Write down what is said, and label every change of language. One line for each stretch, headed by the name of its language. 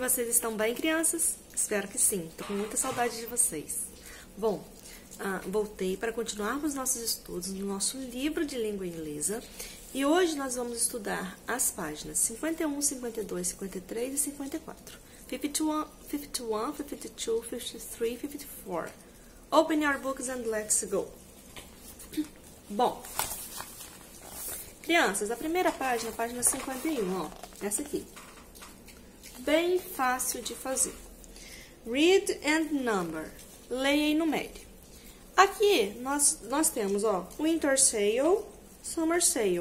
Portuguese: Vocês estão bem, crianças? Espero que sim. Tô com muita saudade de vocês. Bom, voltei para continuarmos nossos estudos no nosso livro de língua inglesa. E hoje nós vamos estudar as páginas 51, 52, 53 e 54. 51, 52, 53, 54.
English: Open your books and let's go.
Portuguese: Bom, crianças, a primeira página, a página 51, ó, essa aqui. Bem fácil de fazer.
English: Read and number.
Portuguese: Leia e numere. Aqui nós temos, ó, winter sale, summer sale.